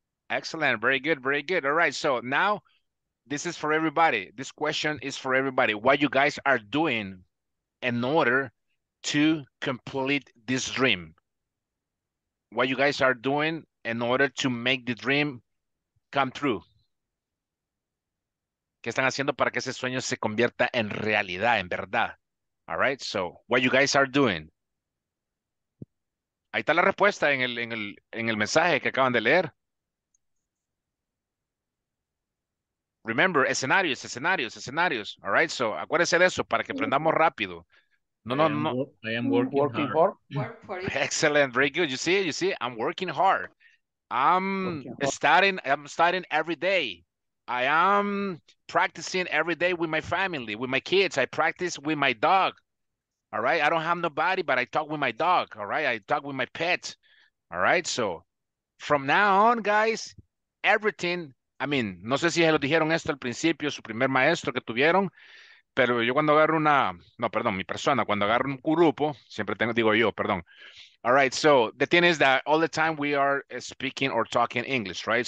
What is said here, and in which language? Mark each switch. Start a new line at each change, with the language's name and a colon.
English: Excellent. Very good. Very good. All right. So now this is for everybody. This question is for everybody. What you guys are doing in order to complete this dream? What you guys are doing in order to make the dream come true?
Spanish: ¿Qué están haciendo para que ese sueño se convierta en realidad, en verdad?
English: All right, so what you guys are doing.
Spanish: Ahí está la respuesta en el mensaje que acaban de leer. Remember, escenarios.
English: All right, so
Spanish: acuérdense de eso para que aprendamos rápido.
English: No. I am working hard. Excellent, very good. You see, I'm working hard. I'm studying every day. I am practicing every day with my family, with my kids. I practice with my dog. All right, I don't have nobody, but I talk with my dog. All right, I talk with my pet. All right, so from now on, guys, everything, I mean,
Spanish: no sé si se lo dijeron esto al principio, su primer maestro que tuvieron, pero yo cuando agarro una, no, perdón, mi persona, cuando agarro un grupo, siempre tengo, digo yo, perdón.
English: All right, so the thing is that all the time we are speaking or talking English, right?